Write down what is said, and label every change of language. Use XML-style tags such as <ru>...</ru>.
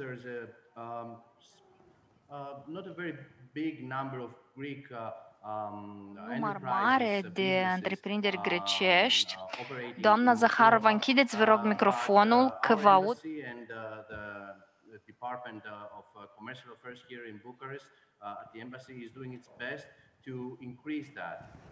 <en>there's a not a very big number of Greek</en> <ro>număr mare de întreprinderi grecești. Doamna Zaharova, închideți, vă rog, microfonul, că vă aud.</ro> <en>And the Department of Commercial Affairs here in Bucharest, the embassy is doing its best to increase that.</en>